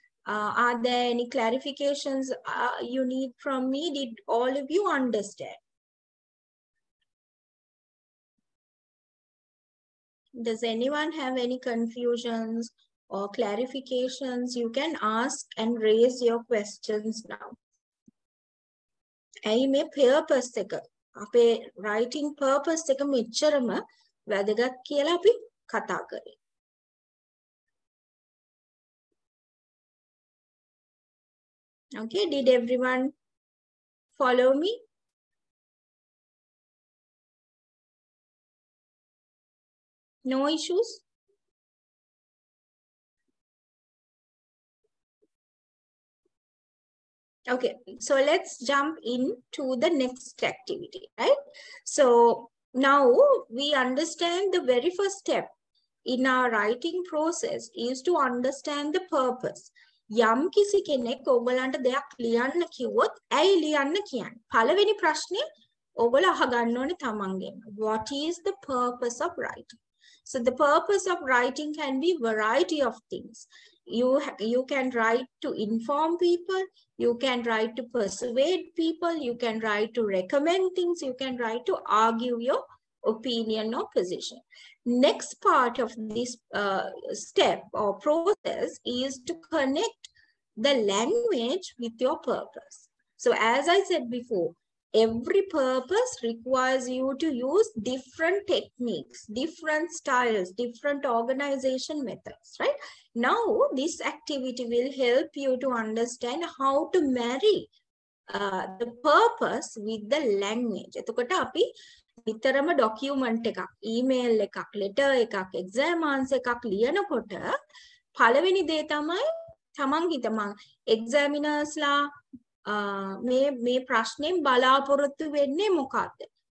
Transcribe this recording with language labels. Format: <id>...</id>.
<en>Are there any clarifications you need from me? Did all of you understand? Does anyone have any confusions or clarifications? You can ask and raise your questions now.</en> <si>ඇයි මේ purpose එක අපේ writing purpose එක මෙච්චරම වැදගත් කියලා අපි කතා කරේ.</si> <en>Okay, did everyone follow me? No issues? Okay, so let's jump in to the next activity, right? So now we understand the very first step in our writing process is to understand the purpose.</en> <si>යම් කිසි කෙනෙක් ඔබලන්ට දෙයක් ලියන්න කිව්වොත් ඇයි ලියන්න කියන්නේ? පළවෙනි ප්‍රශ්නේ ඔයගොල්ලෝ අහගන්න ඕනේ තමන්ගෙන්.</si> <en>What is the purpose of writing? So the purpose of writing can be variety of things. You can write to inform people, you can write to persuade people, you can write to recommend things, you can write to argue your opinion or position. Next part of this step or process is to connect the language with your purpose. So as I said before, every purpose requires you to use different techniques, different styles, different organization methods, right? Now, this activity will help you to understand how to marry the purpose with the language.</en> <si>එතකොට අපි විතරම document එකක්, email එකක්, letter එකක්, exam answer එකක් ලියනකොට පළවෙනි දේ තමයි තමන් හිතමන් examiners ලා මේ ප්‍රශ්නෙන් බලාපොරොත්තු වෙන්නේ මොකද්ද?</si>